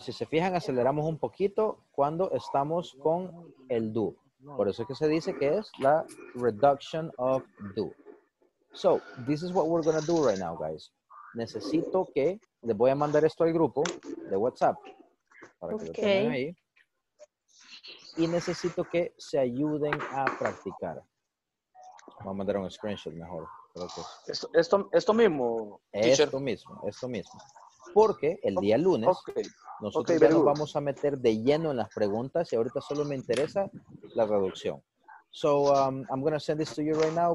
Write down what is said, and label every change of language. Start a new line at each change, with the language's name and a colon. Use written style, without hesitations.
Spanish: Si se fijan, aceleramos un poquito cuando estamos con el do. Por eso es que se dice que es la
English: reduction of do. So, this is what we're going to do right now, guys.
Spanish: Necesito que le voy a mandar esto al grupo de WhatsApp. Para que okay. Lo tengan ahí. Y necesito que se ayuden a practicar. Vamos a mandar un screenshot mejor. Creo que es. Esto mismo. Porque el día lunes vamos a meter de lleno en las preguntas y ahorita solo me interesa la reducción.
English: So, I'm going to send this to you right now.